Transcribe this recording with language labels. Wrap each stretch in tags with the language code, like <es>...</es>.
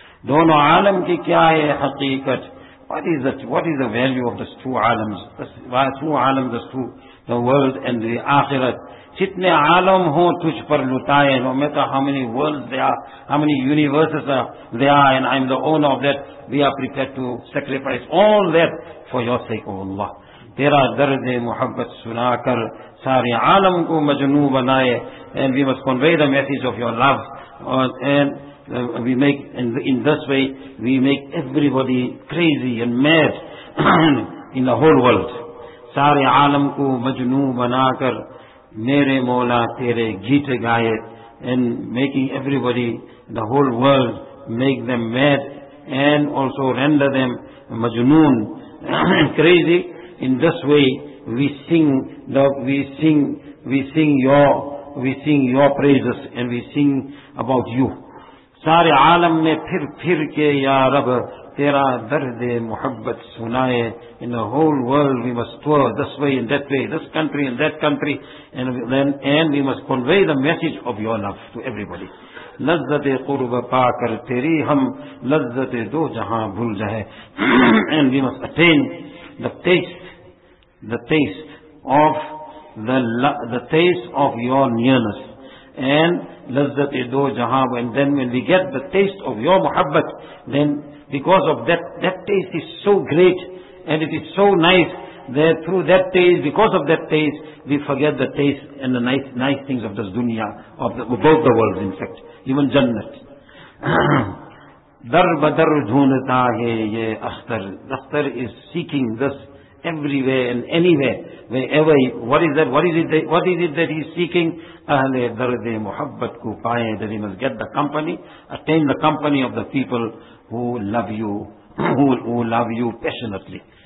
<ur>دونوں عالم کی کیا ہے حقیقت.</ur> <en>What is the value of these two alams? Why two alams, these two, the world and the akhirat?</en> <ur>Chitne alam ho tujh par lutaye,</ur> <en>no matter how many worlds there are, how many universes there are, and I'm the owner of that, we are prepared to sacrifice all that for your sake, O Allah.</en> <ur>Tera dard muhabbat sunakar, sari alam ko majnu banaye,</ur> <en>and we must convey the message of your love, and we make, in this way, we make everybody crazy and mad in the whole world.</en> <ur>Sare alam ko majnu banakar, mere mola tere geet gaaye,</ur> <en>and making everybody, the whole world, make them mad and also render them majnoon, crazy. In this way, we sing your praises and we sing about you.</en> <ur>سارے عالم میں پھر پھر کے یا رب تیرا درد محبت سنائے.</ur> <en>In the whole world we must tour this way and that way, this country and that country, and we must convey the message of your love to everybody.</en> <ur>لذت قرب پا کر تیری ہم لذت دو جہاں بھول جائے.</ur> <en>And we must attain the taste of your nearness. And</en> <ur>لذت دو جہاں,</ur> <en>and then when we get the taste of your محبت, then because of that taste is so great and it is so nice, that through that taste, because of that taste, we forget the taste and the nice things of this dunya, of both the worlds in fact, even Jannat.</en> <ur>در بدر ڈھونڈتا ہے یہ Akhtar.</ur> <en>The Akhtar is seeking this everywhere and anywhere, wherever. What is it that he is seeking?</en> <ur>Ahle darde muhabbat ko paaye,</ur> <en>that he must get the company, attain the company of the people who love you, who love you passionately.</en>